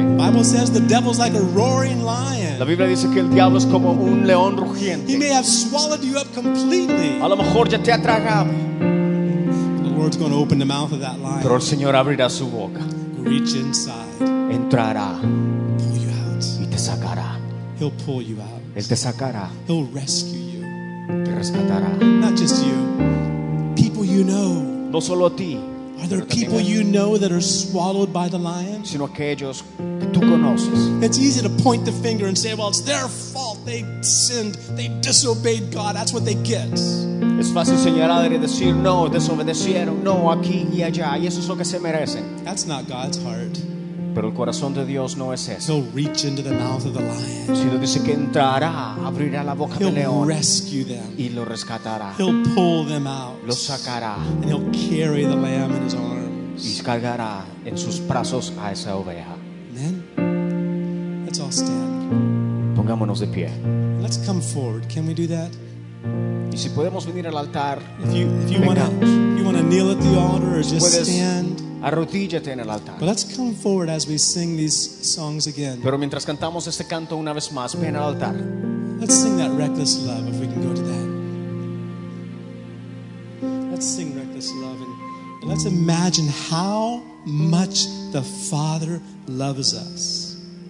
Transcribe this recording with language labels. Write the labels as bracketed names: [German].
[English] The Bible says the devil's like a roaring lion. [Spanish] La Biblia dice que el diablo es como un león rugiente. [English] He may have swallowed you up completely. [Spanish] A lo mejor ya te ha tragado. [English] The Lord's going to open the mouth of that lion. [Spanish] Pero el Señor abrirá su boca. [English] Reach inside. [Spanish] Entrará. [English] Pull [Spanish] te sacará. [English] He'll pull you out. [Spanish] Él te sacará. [English] He'll rescue you. [Spanish] Te rescatará. [English] Not just you. People you know. [Spanish] No solo a ti. [English] Are there people you know that are swallowed by the lion? [Spanish] Sino aquellos que tú conoces. [English] It's easy to point the finger and say, well, it's their fault. They sinned. They disobeyed God. That's what they get. [Spanish] Es fácil señalar y decir, no, desobedecieron. No, aquí y allá. Y eso es lo que se merecen. [English] That's not God's heart. [Spanish] Pero el corazón de Dios no es ese. [English] He'll reach into the mouth of the lion. [Spanish] Sino dice que entrará, abrirá la boca [English] he'll He'll rescue them. [Spanish] Y lo rescatará. [English] He'll pull them out. [Spanish] Lo sacará. [English] And he'll carry the lamb in his arms. [Spanish] Y cargará en sus brazos a esa oveja. [English] Amen. Let's all stand. [Spanish] Pongámonos de pie. [English] Let's come forward. Can we do that? [Spanish] Y si podemos venir al altar, [English] if you want to kneel at the altar or just stand. [Spanish] Arrodíllate en el altar. [English] But let's come forward as we sing these songs again. [Spanish] Pero mientras cantamos este canto una vez más, ven al altar. [English] Let's sing that reckless love if we can go to that. Let's sing reckless love and let's imagine how much the Father loves us.